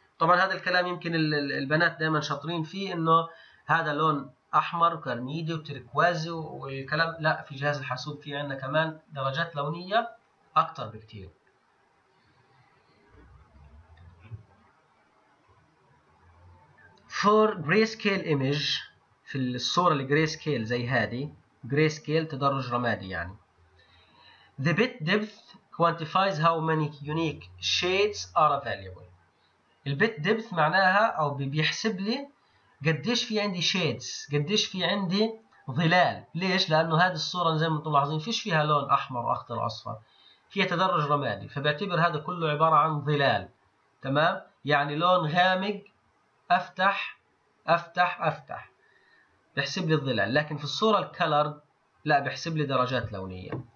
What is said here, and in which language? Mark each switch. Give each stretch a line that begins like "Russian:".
Arabic: طبعا هذا الكلام يمكن البنات دائما شاطرين فيه انه هذا لون احمر وكرميدي وتركوازي والكلام، لا، في جهاز الحاسوب فيه عندنا كمان درجات لونية اكتر بكتير.
English: For grayscale image
Arabic: في الصورة الجريسكيل زي هذه، grayscale تدرج رمادي يعني.
English: The bit depth quantifies how many unique shades are available.
Arabic: البيت ديبث معناها أو بيحسب لي قديش في عندي shades، قديش في عندي ظلال. ليش؟ لأنه هذه الصورة زي ما انتم لاحظين فيش فيها لون أحمر وأخضر أصفر، فيها تدرج رمادي، فبعتبر هذا كله عبارة عن ظلال، تمام؟ يعني لون غامق افتح افتح افتح، بحسب لي الظلال، لكن في الصوره الكالر لا، بحسب لي درجات لونيه.